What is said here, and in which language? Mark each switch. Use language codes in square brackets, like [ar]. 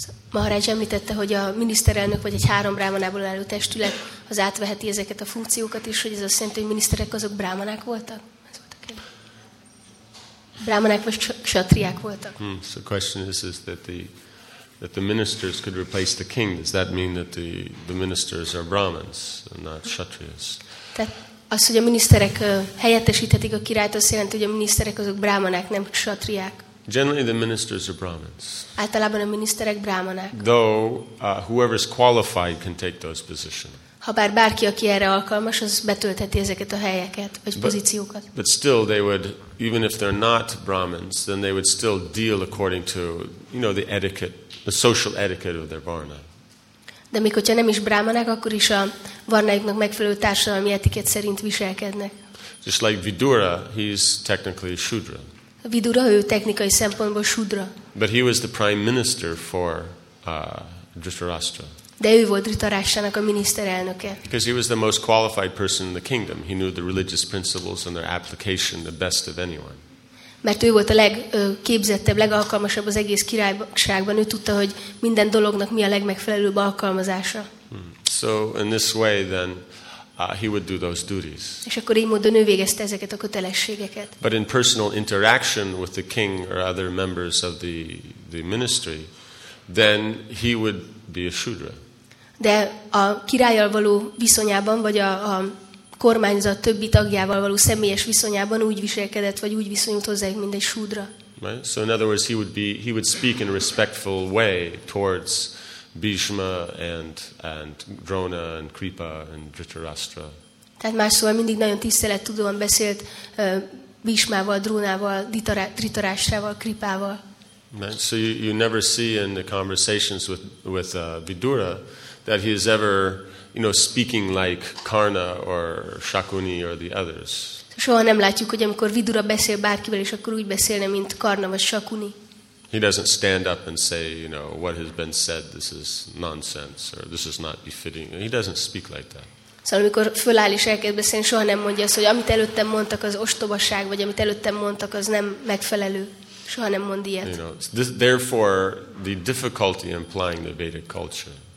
[hu] Maharaj említette, hogy a miniszterelnök vagy egy három brámanából álló testület az átveheti ezeket a funkciókat is, hogy ez azt jelenti, hogy miniszterek azok brámanák voltak? Ez volt a kérdés. Brámanák vagy kshatriák voltak? [en] So the question is that the ministers could replace the king. Does that mean that the ministers are brahmins and not kshatriyas? [hu] Tehát az, hogy a miniszterek helyettesíthetik a királyt, azt jelenti, hogy a miniszterek azok brámanák, nem kshatriák. [en] Generally, the ministers are brahmins. [hu] Általában a miniszterek brámanák. [en] Though whoever is qualified can take those positions. [hu] Habár bárki, aki erre alkalmas, az betöltheti ezeket a helyeket vagy pozíciókat. [en] But still, they would, even if they're not brahmins, then they would still deal according to, you know, the etiquette, the social etiquette of their varna. [hu] De még hogyha nem is brámanák, akkor is a varnájuknak megfelelő társadalmi etikett szerint viselkednek. [en] Just like Vidura, he's technically a shudra. [hu] Vidura, ő technikai szempontból shudra. [en] But he was the prime minister for Dhritarashtra. [hu] De ő volt Dhritarashtrának a miniszterelnöke. [en] Because he was the most qualified person in the kingdom. He knew the religious principles and their application the best of anyone. [hu] Mert ő volt a legképzettebb, legalkalmasabb az egész királyságban. Ő tudta, hogy minden dolognak mi a legmegfelelőbb alkalmazása. [en] So in this way then he would do those duties. [hu] És akkor így módon ő végezte ezeket a kötelességeket. [en] But in personal interaction with the king or other members of the ministry, then he would be a shudra. [hu] De a királlyal való viszonyában, vagy a kormányzat többi tagjával való személyes viszonyában úgy viselkedett, vagy úgy viszonyult hozzá, mint egy shudra. [en] Right? So in other words, he would speak in a respectful way towards Bhishma and Drona and Kripa and Dhritarashtra. [hu] Tehát más szóval mindig nagyon tisztelettudóan beszélt Bhishmával, Drónával, Dhritarashtrával, Kripával. [en] So you never see in the conversations with Vidura that he is ever, you know, speaking like Karna or Shakuni or the others. [hu] Soha nem látjuk, hogy amikor Vidura beszél bárkivel, és akkor úgy beszélne, mint Karna vagy Shakuni. [en] He doesn't stand up and say, you know, what has been said, this is nonsense, or this is not befitting. He doesn't speak like that. [hu] Szóval amikor föláll és elkezd beszélni, soha nem mondja azt, hogy amit előttem mondtak, az ostobaság, vagy amit előttem mondtak, az nem megfelelő. Soha nem mond ilyet. [en] You know, this, therefore, the difficulty implying the Vedic culture.